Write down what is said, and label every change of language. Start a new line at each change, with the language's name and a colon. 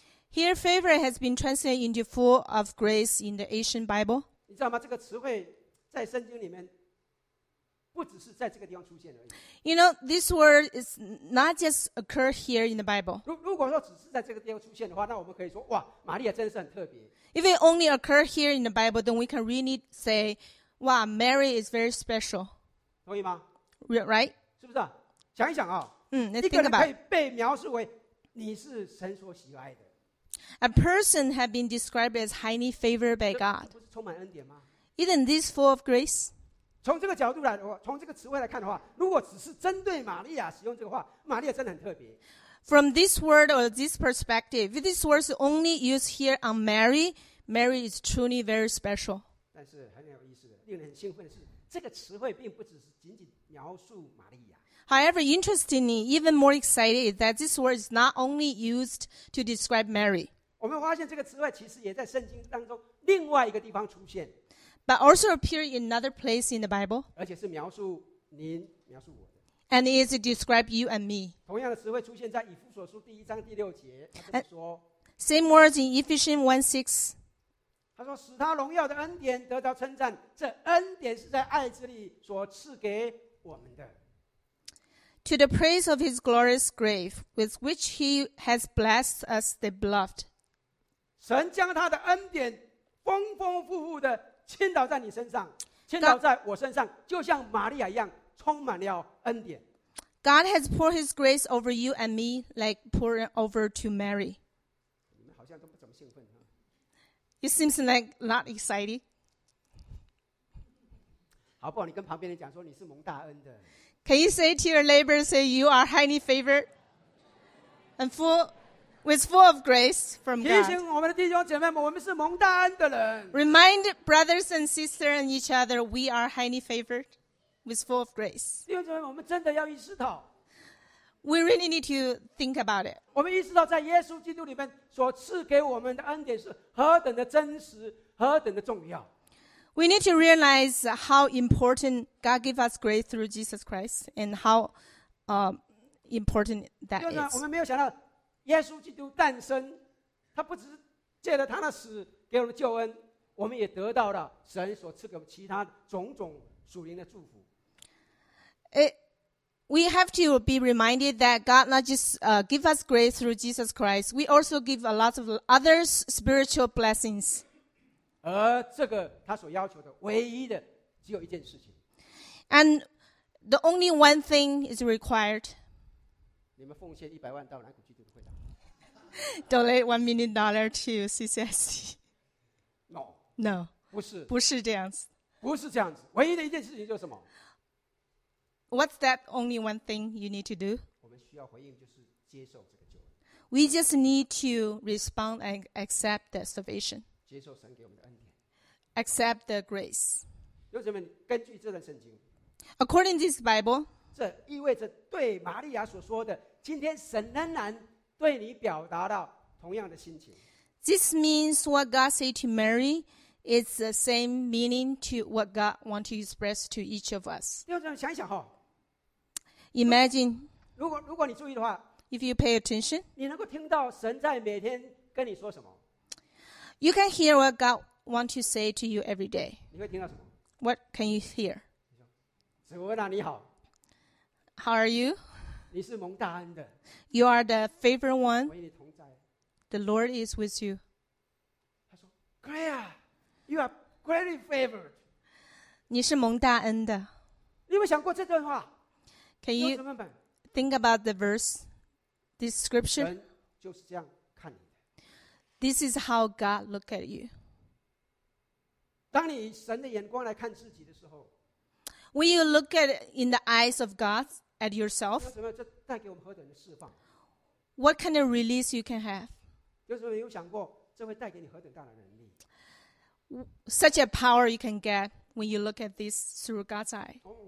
English: Here, favor has been translated into full of grace in the Asian Bible.
Chinese: 你知道吗？这个词汇在圣经里面不只是在这个地方出现而已。
English: You know, this word is not just occur here in the Bible.
Chinese: 如果说只是在这个地方出现的话，那我们可以说，哇，玛利亚真的是很特别。
English: If it only occur here in the Bible, then we can really say, "Wow, Mary is very special."
Chinese: 同意吗
English: ？Right?
Chinese: 是不是、啊？想一想啊、哦。
English: Let's think about.
Chinese: 一个人可以被描述为你是神所喜爱的。
English: A person has been described as highly favored by God.
Chinese: 不是充满恩典吗
English: ？Isn't this full of grace?
Chinese: 从这个角度来，从这个词汇来看的话，如果只是针对玛利亚使用这个话，玛利亚真的很特别。
English: From this word or this perspective, if this word is only used here on Mary, Mary is truly very special.
Chinese: 但是很有意思的，令人兴奋的是，这个词汇并不只是仅仅描述玛利亚。
English: However, interestingly, even more excited that this word is not only used to describe Mary.
Chinese: 我们发现这个词汇其实也在圣经当中另外一个地方出现。
English: But also appear in another place in the Bible.
Chinese: 而且是描述您，描述我。
English: And is it describe you and me?
Chinese: 同样的词汇出现在以弗所书第一章第六节，他说
English: ，Same words in Ephesians 1:6.
Chinese: 他说使他荣耀的恩典得到称赞，这恩典是在爱之里所赐给我们的。
English: To the praise of His glorious grace, with which He has blessed us, the beloved.
Chinese: 神将他的恩典丰丰富富的倾倒在你身上，倾倒在我身上，就像玛利亚一样。充满了恩典。
English: God has poured His grace over you and me, like pouring over to Mary.
Chinese: 你们好像都不怎么兴奋、啊、
English: It seems like not exciting.
Chinese: 好不好？你跟旁边人讲说你是蒙大恩的。
English: Can you say to your neighbor, say you are highly favored and full, with full of grace from God?
Chinese: 提醒我们的弟兄姐妹们，我们是蒙大恩的人。
English: Remind brothers and sisters and each other, we are highly favored. With full of grace.
Chinese: 弟兄姐妹，我们真的要意识到。
English: We really need to think about it.
Chinese: 我们意识到，在耶稣基督里面所赐给我们的恩典是何等的真实，何等的重要。
English: We need to realize how important God gave us grace through Jesus Christ, and how important that is.
Chinese: 我们没有想到，耶稣基督诞生，他不只是借着他的死给我们救恩，我们也得到了神所赐给我们其他种种属灵的祝福。
English: We have to be reminded that God not just give us grace through Jesus Christ, we also give a lot of other spiritual blessings.
Chinese: 而这个他所要求的唯一的只有一件事情。
English: And the only one thing is required.
Chinese: 你们奉献100万到南谷基督的会堂。
English: Donate $1 million to CCSC. No. No.
Chinese: 不是。不是这样子。不是这样子。唯一的一件事情就是什么？
English: What's that only one thing you need to do?
Chinese: 我们需要回应就是接受这个救恩。
English: We just need to respond and accept the salvation.
Chinese: 接受神给我们的恩典。
English: Accept the grace.
Chinese: 弟兄姐妹，根据这段圣经。
English: According to this Bible,
Chinese: 这意味着对玛利亚所说的，今天神仍然对你表达到同样的心情。
English: This means what God said to Mary. It's the same meaning to what God wants to express to each of us.
Chinese: 想一想、哦、
English: Imagine,
Chinese: 如果你注意的话,
English: if you pay attention,
Chinese: 你能够听到神在每天跟你说什么?
English: You can hear what God wants to say to you every day.
Chinese: 你会听到什么?
English: What can you hear?
Chinese: 子文啊，你好。
English: How are you?
Chinese: 你是蒙大恩的。
English: You are the favored one.
Chinese: 我与你同在。
English: The Lord is with you.
Chinese: 他说, Claire啊。
English: You are greatly favored.
Chinese: 你是蒙大恩的。你有没有想过这段话？
English: Can you think about the verse, this scripture?
Chinese: 神就是这样看你。
English: This is how God looks at you.
Chinese: 当你以神的眼光来看自己的时候，
English: When you look at in the eyes of God at yourself,
Chinese: 这带给我们何等的释放？
English: What kind of release you can have?
Chinese: 有没有想过这会带给你何等大的能力？
English: Such a power you can get when you look at this through God's eye.